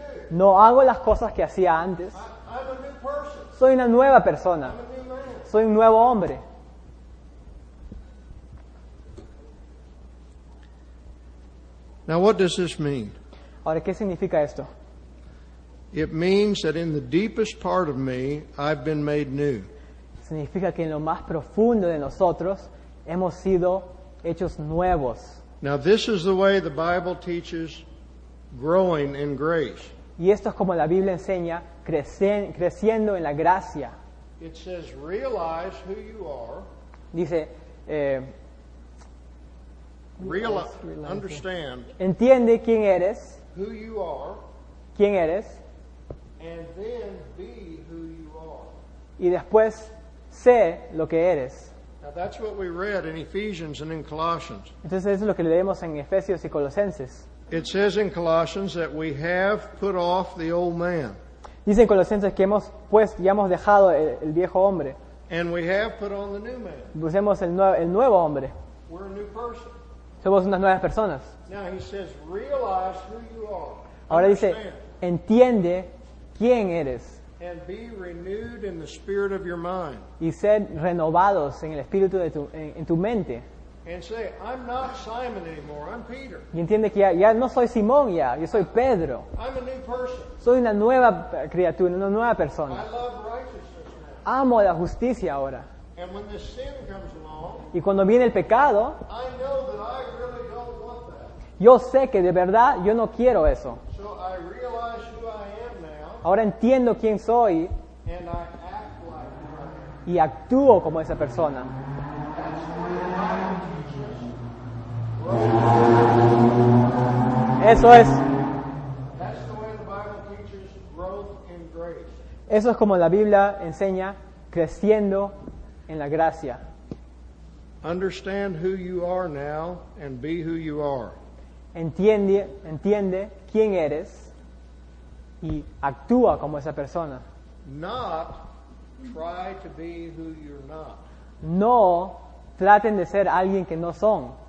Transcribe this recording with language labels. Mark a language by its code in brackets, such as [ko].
[es] No hago las cosas que hacía antes. Soy una nueva persona. Soy un nuevo hombre. [en] Now, what does this mean? [es] Ahora, ¿qué significa esto? [en] It means that in the deepest part of me, I've been made new. [es] Significa que en lo más profundo de nosotros hemos sido hechos nuevos. [en] Now, this is the way the Bible teaches growing in grace. [es] Y esto es como la Biblia enseña, creciendo en la gracia. [en] It says, realize who you are. [es] Dice, [en] realize, understand. [es] Entiende quién eres. [en] Who you are. [es] Quién eres. [en] And then be who you are. [es] Y después sé lo que eres. [en] Now that's what we read in Ephesians and in Colossians. [es] Entonces eso es lo que leemos en Efesios y Colosenses. [en] It says in Colossians that we have put off the old man. [es] Dice en Colosenses que hemos puesto, ya hemos dejado el viejo hombre. [en] And we have put on the new man. [es] Pusemos el nuevo hombre. [en] We're a new person. [es] Somos unas nuevas personas. [en] Now he says, realize who you are. [es] Ahora dice, entiende quién eres. [en] And be renewed in the spirit of your mind. [es] Y ser renovados en el espíritu de en tu mente. [en] And say, I'm not Simon anymore, I'm Peter. [es] Y entiende que ya no soy Simón ya, yo soy Pedro. [en] I'm a new person. [es] Soy una nueva criatura, una nueva persona. [en] I love righteousness now. [es] Amo la justicia ahora. [en] And when the sin comes along, [es] y cuando viene el pecado, [en] I know that I really don't want that. [es] Yo sé que de verdad yo no quiero eso. [en] So I realize who I am now, [es] ahora entiendo quién soy, [en] and I act like that. [es] Y actúo como esa persona. Eso es. [en] That's the way the Bible teaches growth in grace. [es] Eso es como la Biblia enseña, creciendo en la gracia. [en] Understand who you are now and be who you are. [es] Entiende quién eres y actúa como esa persona. [en] Not try to be who you're not. [es] No traten de ser alguien que no son.